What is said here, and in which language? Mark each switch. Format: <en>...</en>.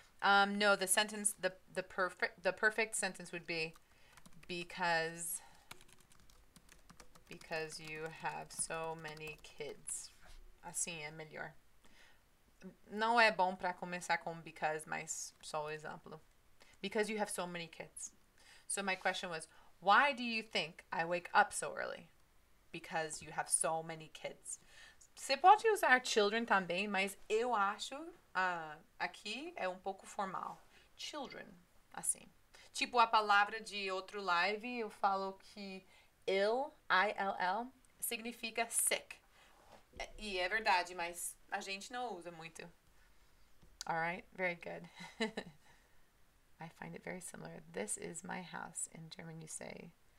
<en>No, the sentence the perfect sentence would be because you have so many kids.</en> <pt>Assim é melhor. Não é bom para começar com because, mas só exemplo.</pt> <en>Because you have so many kids. So my question was, why do you think I wake up so early? Because you have so many kids.</en> <pt>Você pode usar children também, mas eu acho aqui é pouco formal. Children, assim. Tipo a palavra de outro live, eu falo que ill, ill, significa sick. E é verdade, mas a gente não usa muito.</pt> <en>All right, very good. I find it very similar. This is my house in German, you say.</en>